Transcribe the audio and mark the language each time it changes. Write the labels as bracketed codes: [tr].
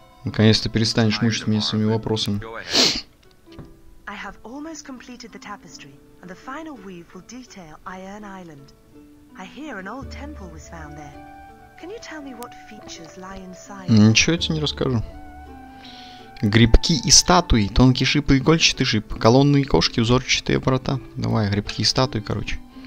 [ru] Наконец-то перестанешь мучить меня своими вопросами. [en] I have almost completed the tapestry, and the final weave will detail Iron Island. I hear an old temple was found there. Can you tell me what features lie inside? [ru] Ничего я тебе не расскажу. Грибки и статуи, тонкий шип и игольчатый шип, колонны и кошки, узорчатые врата. Давай, грибки и статуи, короче.